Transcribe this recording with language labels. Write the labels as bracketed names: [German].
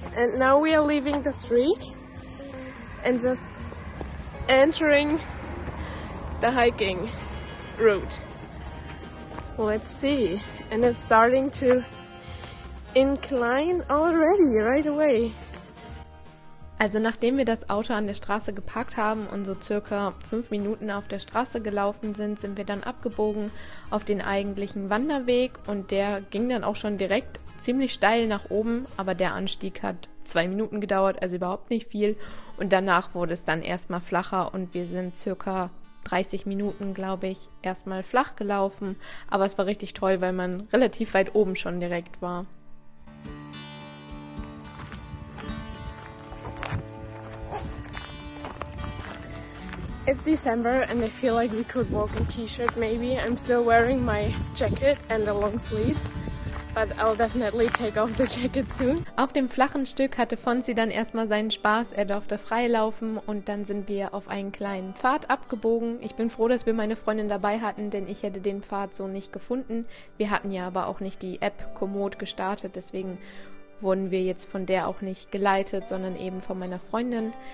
[English] And now we are leaving the street and just entering the hiking. route. Let's see. And it's starting to incline already, right away. [German] Also nachdem wir das Auto an der Straße geparkt haben und so circa 5 Minuten auf der Straße gelaufen sind, sind wir dann abgebogen auf den eigentlichen Wanderweg und der ging dann auch schon direkt ziemlich steil nach oben, aber der Anstieg hat 2 Minuten gedauert, also überhaupt nicht viel. Und danach wurde es dann erstmal flacher und wir sind circa 30 Minuten, glaube ich, erstmal flach gelaufen. Aber es war richtig toll, weil man relativ weit oben schon direkt war. [English] It's December and I feel like we could walk in t-shirt maybe. I'm still wearing my jacket and a long sleeve. But I'll definitely take off the jacket soon. [German] Auf dem flachen Stück hatte Fonsi dann erstmal seinen Spaß. Er durfte freilaufen und dann sind wir auf einen kleinen Pfad abgebogen. Ich bin froh, dass wir meine Freundin dabei hatten, denn ich hätte den Pfad so nicht gefunden. Wir hatten ja aber auch nicht die App Komoot gestartet, deswegen wurden wir jetzt von der auch nicht geleitet, sondern eben von meiner Freundin.